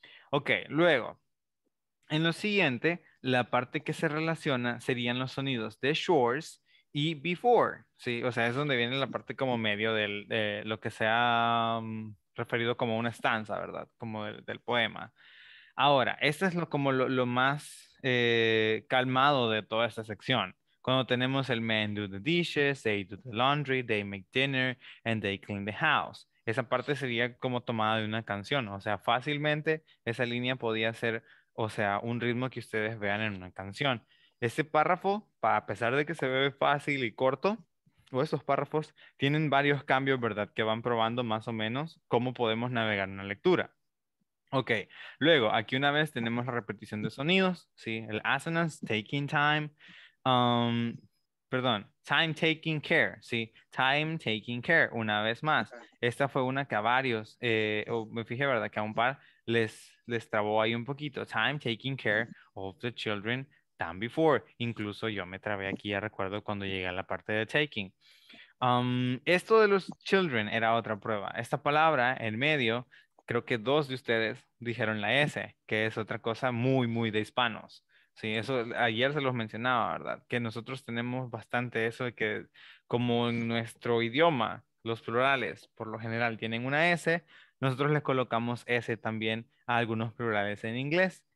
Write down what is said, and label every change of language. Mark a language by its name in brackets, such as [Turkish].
[Spanish] Ok, luego, en lo siguiente, la parte que se relaciona serían los sonidos de chores y before, ¿sí? O sea, es donde viene la parte como medio de lo que sea referido como una estanza, ¿verdad? Como del poema. Ahora, este es como lo más calmado de toda esta sección. Cuando tenemos el [English] men do the dishes, they do the laundry, they make dinner, and they clean the house. [Spanish] Esa parte sería como tomada de una canción. O sea, fácilmente esa línea podía ser, o sea, un ritmo que ustedes vean en una canción. Este párrafo, a pesar de que se ve fácil y corto, o esos párrafos, tienen varios cambios, ¿verdad? Que van probando más o menos cómo podemos navegar una lectura. Ok, luego, aquí una vez tenemos la repetición de sonidos, ¿sí? [English] El assonance, taking time, time taking care, ¿sí? Time taking care, [Spanish] una vez más. Esta fue una que a varios, me fijé, ¿verdad? Que a un par les trabó ahí un poquito. [English] Time taking care of the children than before. [Spanish] Incluso yo me trabé aquí, ya recuerdo cuando llegué a la parte de taking. Esto de los children era otra prueba. Esta palabra en medio, creo que dos de ustedes dijeron la S, que es otra cosa muy, muy de hispanos. Sí, eso ayer se los mencionaba, ¿verdad? Que nosotros tenemos bastante eso de que como en nuestro idioma, los plurales por lo general tienen una S, nosotros les colocamos S también a algunos plurales en inglés.